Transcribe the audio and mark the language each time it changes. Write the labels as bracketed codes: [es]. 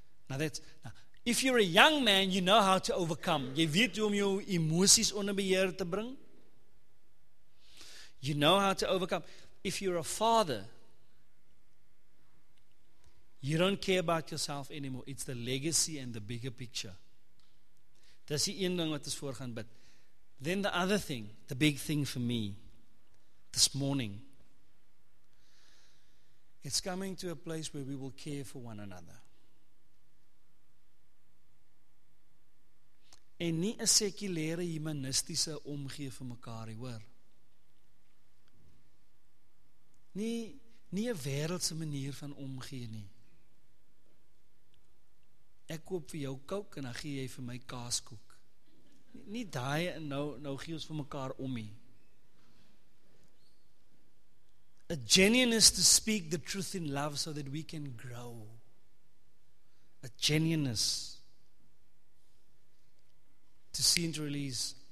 [en] Now, if you're a young man, you know how to overcome. [af] Jy weet hoe om jou emoties onder beheer te bring. [en] You know how to overcome. If you're a father, you don't care about yourself anymore. It's the legacy and the bigger picture. [af] Dis die een ding wat ons voorgaan bid. [en] Then the other thing, the big thing for me, this morning, it's coming to a place where we will care for one another. [af] En nie 'n sekulêre humanistiese omgee vir mekaar, hoor. Nie 'n wêreldse manier van omgee nie. Ek koop vir jou kook en dan gee jy vir my kaaskoek. Nie daai en nou gee ons vir mekaar om nie. [en] A genuine is to speak the truth in love so that we can grow. A genuine is to see and to release.